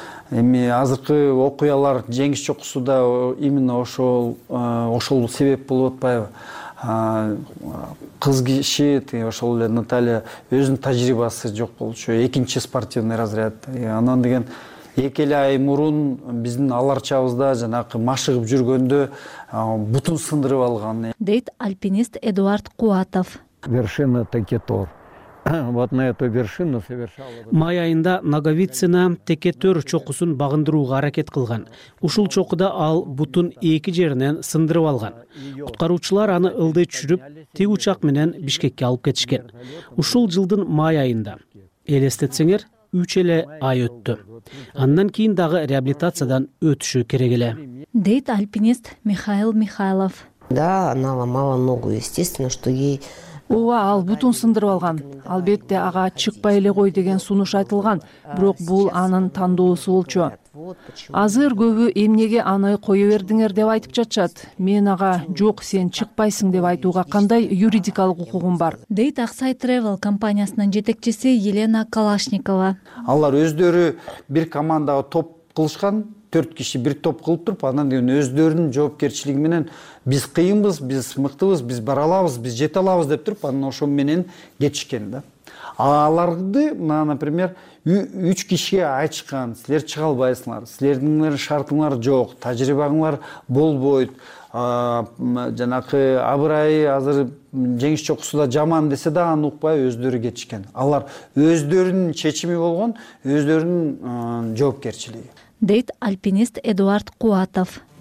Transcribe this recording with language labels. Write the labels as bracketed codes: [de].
[ky] Эми азыркы окуялар жеңиш чокусуда именно ошол себеп болуп атпайбы? Кыз киши ошол эле Наталья өзүнүн тажрыйбасы жок болчу, экинчи спортивный разряд. Анан деген эки эле ай мурун биздин аларчабызда жанакы машыгып жүргөндө бутун сындырып алган, дейт альпинист Эдуард Куатов. [ru] Вершина Текетор. Вот на эту вершину совершала. [ky] Май айында Наговицина Текетор чокусун багындырууга аракет кылган. Ушул чокуда ал бутун эки жеринен сындырып алган. Куткаруучулар аны ылды түшүрүп, тик учак менен Бишкекке алып кетишкен. Ушул жылдын май айында. Элестетсеңер, 3 эле ай өттү. Андан кийин дагы реабилитациядан өтүшү керек эле. Дейт альпинист Михаил Михайлов. [ru] Да, она ломала ногу, естественно, что ей. [ky] Ооба, ал бутун сындырып алган. Албетте ага чыкпай эле кой деген сунуш айтылган, бирок бул анын тандоосу болчу. Азыр көбү эмнеге аны кое бердиңер деп айтып жатышат. Мен ага жок, сен чыкпайсың деп айтууга кандай юридикалык укугум бар? Дейт Аксай Travel компаниясынын жетекчиси Елена Калашникова. Алар өздөрү бир командага топ кылышкан. 4 киши бир топ кылып туруп, анан деген өздөрүнүн жоопкерчилиги менен биз кыйынбыз, биз мыктыбыз, биз бара алабыз, биз жете алабыз деп туруп, анан ошон менен кетишкен да. Аларды мына, например, 3 кишиге айтышкан: силер чыга албайсыңар, силердин шартыңар жок, тажрыйбаңар болбойт, жанакы абырайы азыр жеңиш чокусунда жаман десе да аны укпай өздөрү кетишкен. Алар өздөрүнүн чечими болгон, өздөрүнүн жоопкерчилиги. Дейт альпинист Эдуард Куатов.